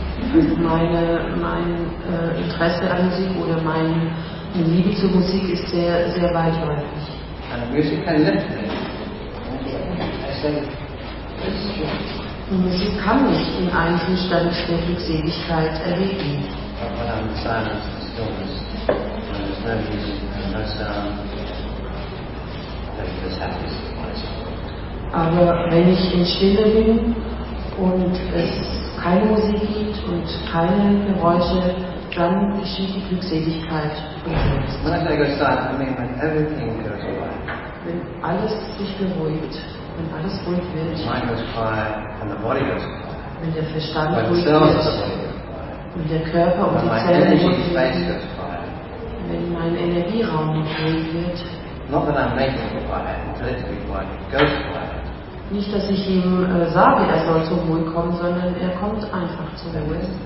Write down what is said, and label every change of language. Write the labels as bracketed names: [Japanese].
[German] Mein Interesse an Musik oder meine Liebe zur Musik ist sehr, sehr weitläufig. [English] And music can lift me. I said, [German] Musik kann mich in einen Zustand der Glückseligkeit erheben. [English] But and the silence and stillness, when there's no music and no sound, maybe this happens twice. [German] Aber wenn ich in Stille bin und es keine Musik gibt und keine Geräusche, dann geschieht die Glückseligkeit. Wenn alles sich beruhigt, wenn alles ruhig wird, wenn der Verstand ruhig wird, wenn der Körper und die Zellen ruhig wird, wenn mein Energieraum ruhig wird, nicht, dass ich ihm sage, er soll zur Ruhe kommen, sondern er kommt einfach zur Ruhe.